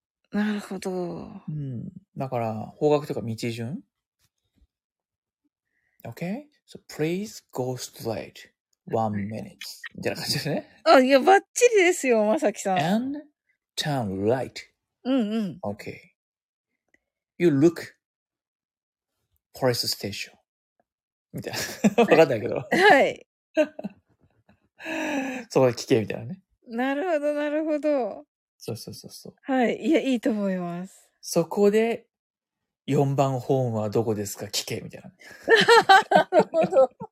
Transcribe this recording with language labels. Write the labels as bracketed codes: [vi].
[ja] はい、なるほど。うん。だから、方角というか道順。 [en] Okay? So, please go straight. One minute. [ja] じゃな感じですね。あ、いや、ばっちりですよ、まさきさん。 [en] And turn right. [ja] うんうん。 [en] Okay. You look police station. [ja] みたいな。わかんないけど。はい。そこで聞けみたいなね。なるほど、なるほど。そうそうそうそう。はい。いや、いいと思います。そこで、4番ホームはどこですか聞けみたいな。なるほど。